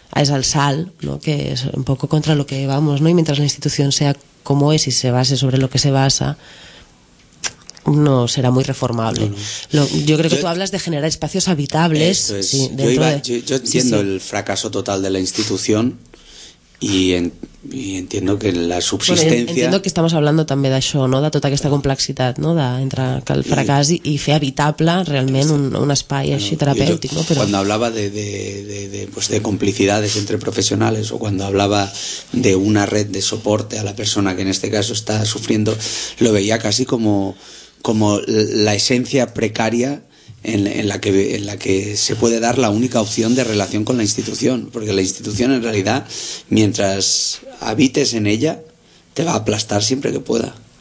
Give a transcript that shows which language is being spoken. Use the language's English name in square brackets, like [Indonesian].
[Catalan] és el salt, [Spanish] ¿no?, que és un poco contra lo que vamos, ¿no?, y mientras la institución sea como es y se base sobre lo que se basa, no será muy reformable. Yo creo que tú hablas de generar espacios habitables. Yo entiendo el fracaso total de la institución Y entiendo que la subsistència... Bueno, entiendo que estamos hablando [Catalan] també d'això, no? De tota aquesta complexitat, no? Entre el fracàs i fer habitable realment un espai així terapèutic, no? [Spanish] Però... Cuando hablaba de complicidades entre profesionales o cuando hablaba de una red de soporte a la persona que en este caso está sufriendo, lo veía casi como la esencia precaria en la que se puede dar la única opción de relación con la institución, porque la institución en realidad, mientras habites en ella, te va a aplastar siempre que pueda.